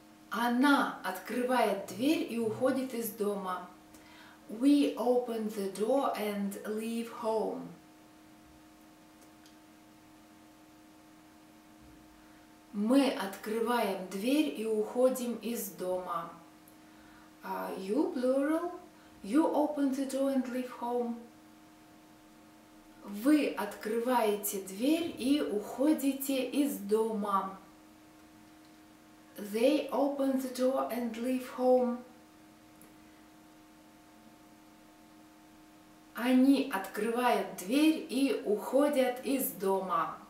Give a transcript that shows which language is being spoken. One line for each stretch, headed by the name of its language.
Russian: Она открывает дверь и уходит из дома.
English: We open the door and leave home.
Russian: Мы открываем дверь и уходим из дома.
English: You plural, you open the door and leave home.
Russian: Вы открываете дверь и уходите из дома.
English: They open the door and leave home.
Russian: Они открывают дверь и уходят из дома.